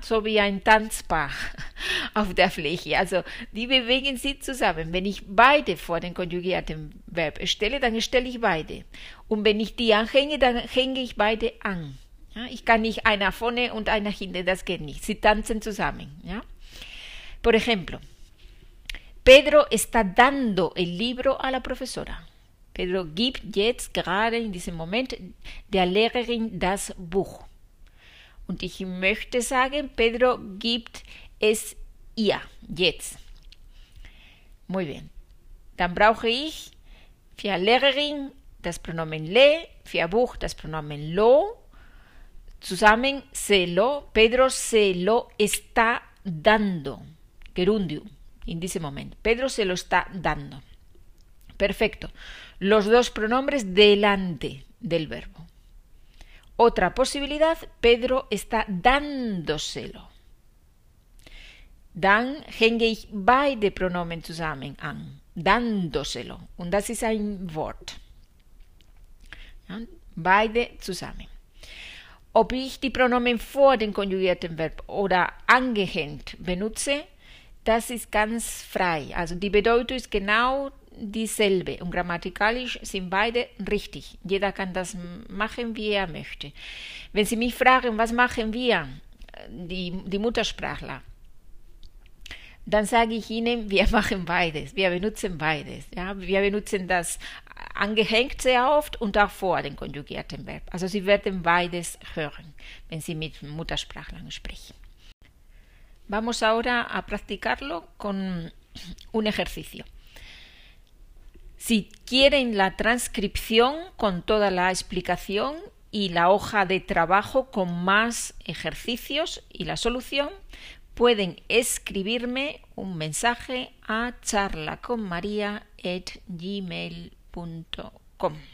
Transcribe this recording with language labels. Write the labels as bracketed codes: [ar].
[de] So wie ein Tanzpaar auf der Fläche. Also, die bewegen sich zusammen. Wenn ich beide vor den konjugierten Verb stelle, dann stelle ich beide. Und wenn ich die anhänge, dann hänge ich beide an. Ja? Ich kann nicht einer vorne und einer hinten, das geht nicht. Sie tanzen zusammen. Ja? [es] Por ejemplo, Pedro está dando el libro a la profesora. [de] Pedro gibt jetzt gerade in diesem Moment der Lehrerin das Buch. Und ich möchte sagen, Pedro gibt es ihr jetzt. [es] Muy bien. [de] Dann brauche ich für Lehrerin das Pronomen le, für Buch das Pronomen lo. [es] Zusammen se lo. Pedro se lo está dando. [de] Gerundium in diesem Moment. [es] Pedro se lo está dando. Perfecto. Los dos pronombres delante del verbo. Otra posibilidad, Pedro está dándoselo. [de] Dann hänge ich beide Pronomen zusammen an. Dándoselo. Und das ist ein Wort. Ja, beide zusammen. Ob ich die Pronomen vor dem konjugierten Verb oder angehängt benutze, das ist ganz frei. Also die Bedeutung ist genau dieselbe und grammatikalisch sind beide richtig. Jeder kann das machen, wie er möchte. Wenn Sie mich fragen, was machen wir, die Muttersprachler, dann sage ich Ihnen, wir machen beides, wir benutzen beides. Ja? Wir benutzen das angehängt sehr oft und auch vor dem konjugierten Verb. Also Sie werden beides hören, wenn Sie mit Muttersprachlern sprechen. [es] Vamos ahora a practicarlo con un ejercicio. Si quieren la transcripción con toda la explicación y la hoja de trabajo con más ejercicios y la solución, pueden escribirme un mensaje a charlaconmaria@gmail.com.